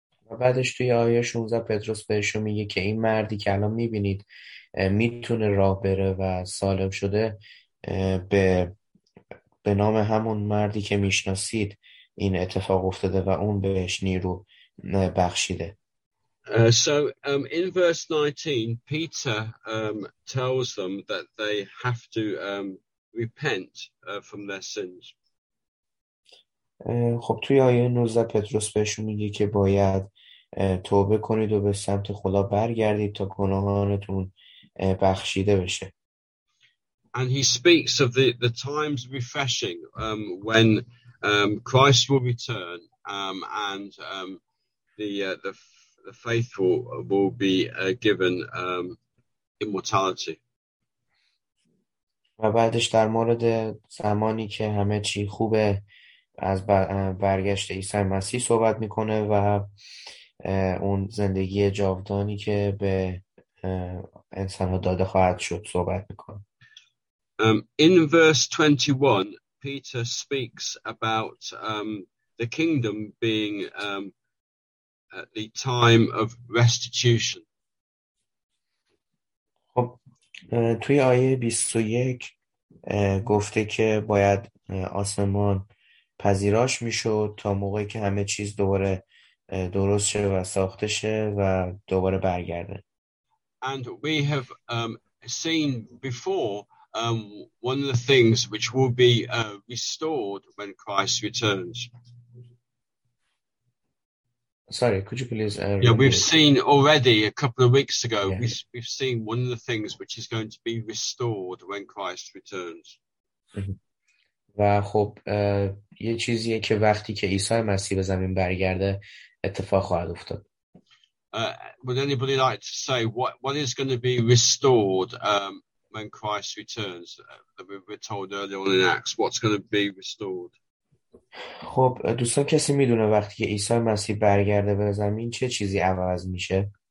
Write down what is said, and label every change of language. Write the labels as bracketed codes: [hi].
[fa] و بعدش توی آیه 16 پتروس بهش میگه که این مردی که الان میبینید میتونه راه بره و سالم شده به نام همون مردی که میشناسید این اتفاق افتاده و اون بهش نیرو بخشیده. [en] So in verse 19 Peter tells them that they have to repent from their sins. [fa] خب توی آیه 19 پتروس بهشون میگه که باید توبه کنید و به سمت خدا برگردید تا گناهانتون بخشیده بشه. [en] And he speaks of the times refreshing when Christ will return and the faithful will be given immortality. [fa] و بعدش در مورد زمانی که همه چی خوبه از برگشت عیسی مسیح صحبت میکنه و اون زندگی جاودانی که به انسان‌ها داده خواهد شد صحبت میکنه. [en] In verse 21 Peter speaks about the kingdom being at the time of restitution. [fa] خب توی آیه 21 گفته که باید آسمان پذیراش میشد تا موقعی که همه چیز دوباره درست شه و ساخته شه و دوباره برگرده. [en] And we have seen before one of the things which will be restored when Christ returns. Sorry, could you please Yeah, we've seen already a couple of weeks ago, yeah. we've seen one of the things which is going to be restored when Christ returns. [fa] و خب یه چیزیه که وقتی که عیسی مسیح به زمین برگرده اتفاق خواهد افتاد. [en] Would anybody like to say what is going to be restored when Christ returns? That we were told earlier on in Acts, what's going to be restored? [fa] خب دوستان کسی میدونه وقتی که عیسی مسیح برگرده به زمین چه چیزی عوض میشه؟